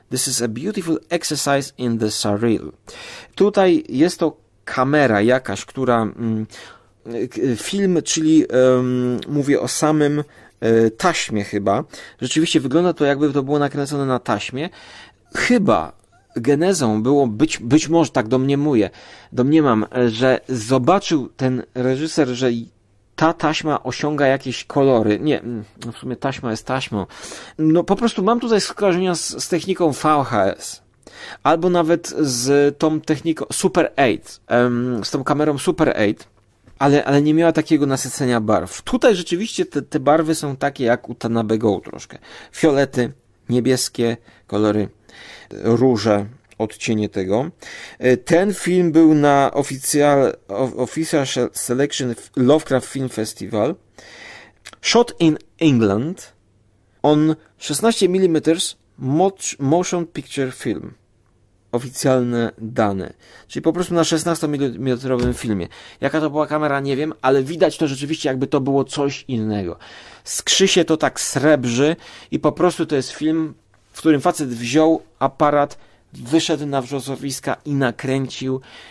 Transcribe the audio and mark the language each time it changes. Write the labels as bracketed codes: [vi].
[en] This is a beautiful exercise in the surreal. [pl] Tutaj jest to kamera jakaś, która film, czyli mówię o samym taśmie chyba. Rzeczywiście wygląda to, jakby to było nakręcone na taśmie. Chyba genezą było, być może tak domniemam, że zobaczył ten reżyser, że ta taśma osiąga jakieś kolory. W sumie taśma jest taśmą. Po prostu mam tutaj skojarzenia z techniką VHS. Albo nawet z tą techniką Super 8. Z tą kamerą Super 8. Ale nie miała takiego nasycenia barw. Tutaj rzeczywiście te barwy są takie jak u Tanabego troszkę. Fiolety, niebieskie kolory, róże, odcienie tego. Ten film był na Official Selection Lovecraft Film Festival. [en] Shot in England on 16mm motion picture film. [pl] Oficjalne dane. Czyli po prostu na 16mm filmie. Jaka to była kamera, nie wiem, ale widać to rzeczywiście, jakby to było coś innego. Skrzy się to tak srebrzy i po prostu to jest film, w którym facet wziął aparat, wyszedł na wrzosowiska i nakręcił.